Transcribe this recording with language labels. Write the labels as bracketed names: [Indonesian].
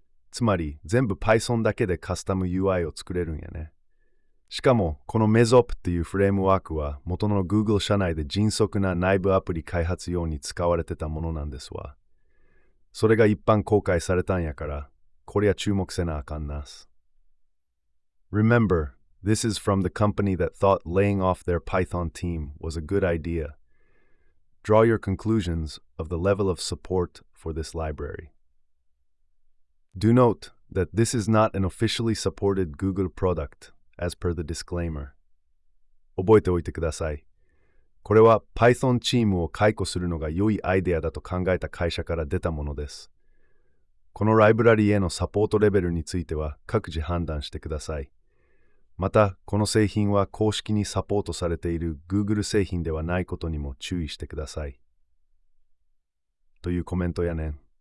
[Japanese] つまり全部 Python だけでカスタム UI を作れるんやね。しかもこの Mesop っていうフレームワークは元の Google 社内で迅速な内部アプリ開発用に使われてたものなんですわ。それが一般公開されたんやから、こりゃ注目せなあかんなす。 [English] Remember, this is from the company that thought laying off their Python team was a good idea. Draw your conclusions of the level of support for this library. Do note that this is not an officially supported Google product, as per the disclaimer. [Japanese] 覚えておいてください。これは Python チームを解雇するのが良いアイデアだと考えた会社から出たものです。このライブラリへのサポートレベルについては各自判断してください。また、この製品は公式にサポートされている Google 製品ではないことにも注意してください。というコメントやねん。